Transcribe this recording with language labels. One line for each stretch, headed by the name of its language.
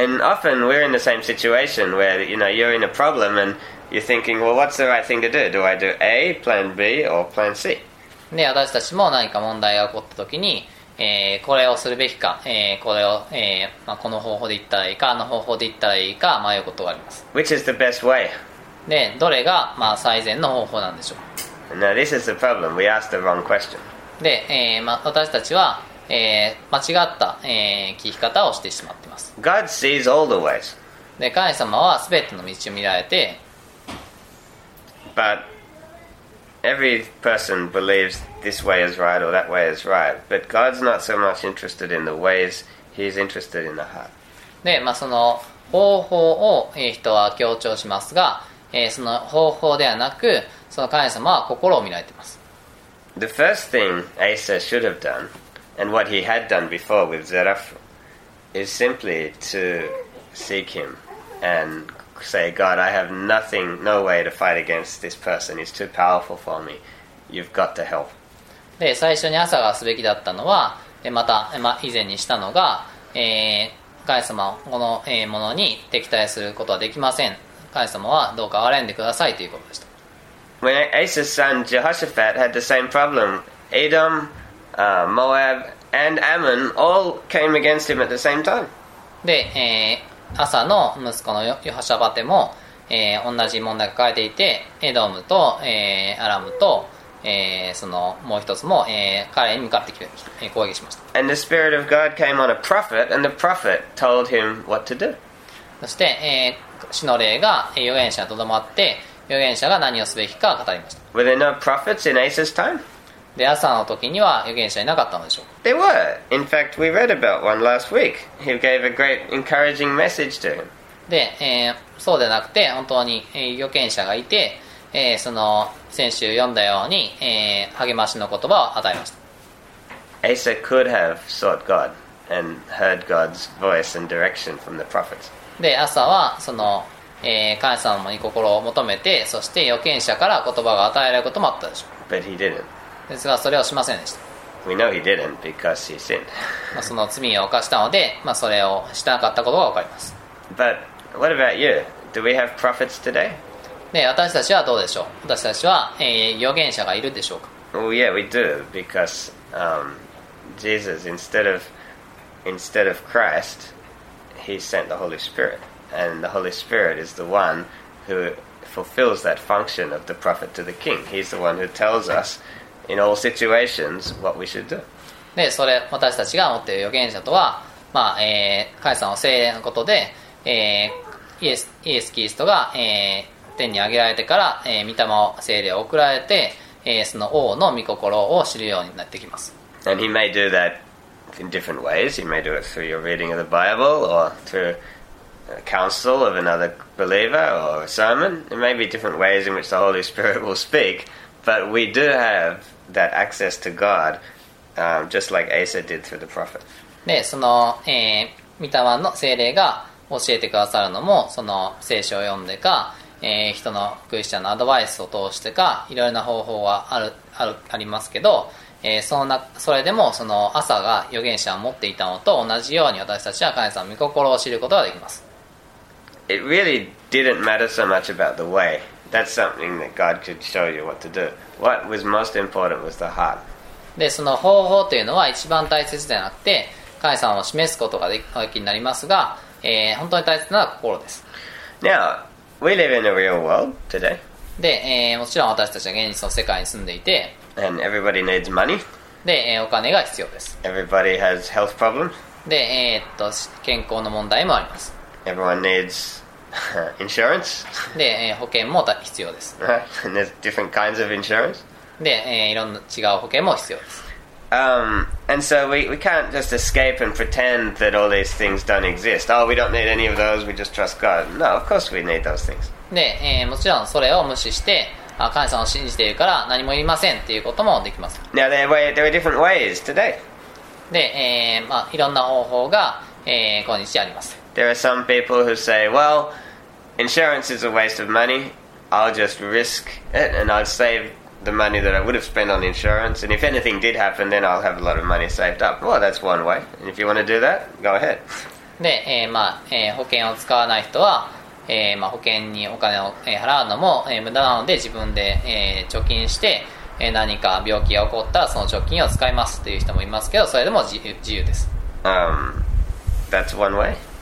English: And often we're in the same situation where you know you're in a problem and you're thinking, well, what's the right thing to do? Do I do A, plan B, or plan C?
Japanese: で、私たちも何か問題が起こったときに、これをするべきか、これを、まあ、この方法でいったらいいか、あの方法でいったらいいか迷うことがあります。
English: Which is the best way?
Japanese: で、どれが、まあ、最善の方法なんでしょう。
English: Now this is the problem. We asked the wrong question.
Japanese: で、私たちは、間違った、聞き方をしてしまっています。
English: God sees all the ways.
Japanese: で、神様はすべての道を見られて、
English: But every person believes this way is right or that way is right. But God's not so much interested in the ways. He's interested in the heart.
Japanese: で、まあ、その方法を人は強調しますが、その方法ではなく、その神様は心を見られています。
English: The first thing Asa should have done, and what he had done before with Zeraph, is simply to seek him and say, God, I have nothing, no way to fight against this person. He's too powerful for me. You've got to help.
Japanese: で、最初に朝がすべきだったのは、また、以前にしたのが、神様、このものに敵対することはできません。神様はどうか憐れんでくださいということでした。
English: When Asa's son Jehoshaphat had the same problem, Edom, Moab, and Ammon all came against him at the same time.
Japanese: で、アサの息子のヨハシャバテも、同じ問題を抱えていて、エドムと、アラムと、そのもう一つも、彼に向かってきて、攻撃しました。
English: And the Spirit of God came on a prophet, and the prophet told him what to do.
Japanese: そして、死の霊が預言者にとどまって、預言者が何をすべきか語りました。
English: Were there no prophets in Asa's time?
Japanese: で、アサの時には預言者いなかったのでしょうか。
English: There were. In fact, we read about one last week. He gave a great encouraging message to him.
Japanese: で、そうでなくて、本当に、預言者がいて、その先週読んだように、励ましの言葉を与えました。
English: Asa could have sought God and heard God's voice and direction from the prophets.
Japanese: で、アサはその神様に心を求めて、そして預言者から言葉が与えられることもあったでしょう。
English: But he didn't.
Japanese: ですがそれをしませんでした。
English: We know he didn't because he sinned.
Japanese: まあその罪を犯したので、まあそれをしなかったことがわかります。
English: But what about you? Do we have prophets today?
Japanese: で、私たちはどうでしょう。私たちは、預言者がいるでしょうか。
English: Well, yeah, we do because Jesus instead of Christ, he sent the Holy Spirit. And the Holy Spirit is the one who fulfills that function of the prophet to the king. He's the one who tells us in all situations what we should do.
Japanese: で、それ私たちが持っている預言者とは、まあ、神様の聖霊のことで、イエスキリストが、天に上げられてから、御霊を聖霊を送られて、その王の御心を知るようになってきます。
English: And he may do that in different ways. He may do it through your reading of the Bible or through counsel of another believer or a sermon. There may be different ways in which the Holy Spirit will speak, but we do have that access to God, just like Asa did through the prophet.
Japanese: で、その、御霊の聖霊が教えてくださるのも、その聖書を読んでか、人のクリスチャンのアドバイスを通してか、いろいろな方法はありますけど、それでもその朝が預言者を持っていたのと同じように私たちは神様の御心を知ることができます。
English: It really didn't matter so much about the way. That's something that God could show you what to do. What was most important was the heart.
Japanese: で、その方法というのは一番大切ではなくて、神様を示すことが気になりますが、本当に大切なのは心です。
English: Now, we live in a real world today.
Japanese: で、もちろん私たちは現実の世界に住んでいて、
English: And everybody needs money.
Japanese: で、お金が必要です。
English: Everybody has health problems.
Japanese: で、健康の問題もあります。
English: Everyone needs insurance.
Japanese: で、保険も必要です。
English: Right? And there's different kinds of insurance.
Japanese: で、いろんな違う保険も必要です。
English: And so we can't just escape and pretend that all these things don't exist. Oh, we don't need any of those. We just trust God. No, of course we need those things.
Japanese: で、もちろんそれを無視して、神様を信じているから何もいりませんっていうこともできます。
English: Now there are different ways today.
Japanese: で、まあ、いろんな方法が、今日あります。
English: There are some people who say, well, insurance is a waste of money. I'll just risk it and I'll save the money that I would have spent on insurance. And if anything did happen, then I'll have a lot of money saved up. Well, that's one way. And if you want to do that, go ahead.
Japanese: で、まあ、保険を使わない人は、まあ、保険にお金を払うのも、無駄なので自分で、貯金して、何か病気が起こったらその貯金を使いますという人もいますけど、それでも自由です。
English: That's one way.